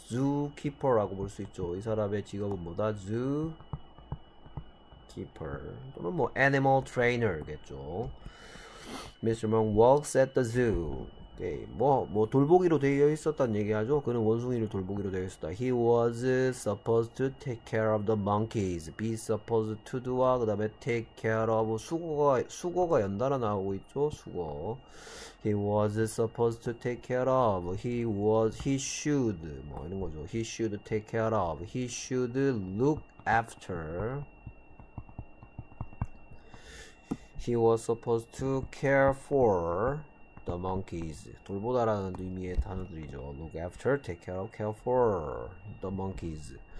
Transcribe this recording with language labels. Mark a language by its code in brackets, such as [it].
[ko] zookeeper라고 볼수 있죠. 이 사람의 직업은 뭐다? zookeeper 또는 뭐 animal trainer겠죠. [en] 미스터 몽 works at the zoo. [ko] 오케이. 뭐 돌보기로 되어 있었단 얘기하죠. 그는 원숭이를 돌보기로 되어 있었다. [en] He was supposed to take care of the monkeys. Be supposed to do [ko] 와 그다음에 [en] take care of [ko] 수거가 연달아 나오고 있죠. 수거. [en] He was supposed to take care of. He should 뭐 이런 거죠. He should take care of. He should look after. He was supposed to care for. The monkeys. [ko] 돌보다라는 의미의 단어들이죠. [en] Look after, take care of, care for the monkeys.